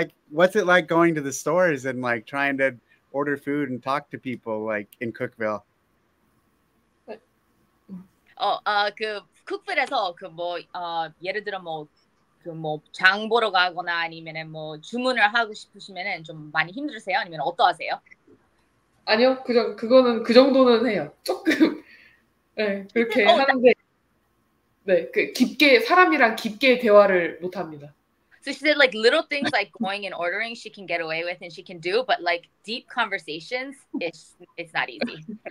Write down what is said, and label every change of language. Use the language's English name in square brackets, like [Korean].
[English] what's it like going to the stores and like trying to order food and talk to people like in Cookeville? [Korean] 그 쿡필에서 그 뭐 예를 들어 뭐 그 뭐 장 보러 가거나 아니면은 뭐 주문을 하고 싶으시면은 좀 많이 힘드세요? 아니면 어떠하세요? 아니요. 그 정도는 해요. 조금 예. 네, 그렇게 하는데 네. 그 깊게 사람이랑 깊게 대화를 못 합니다. [English] So she said like little things like going and ordering she can get away with and she can do but like deep conversations it's not easy.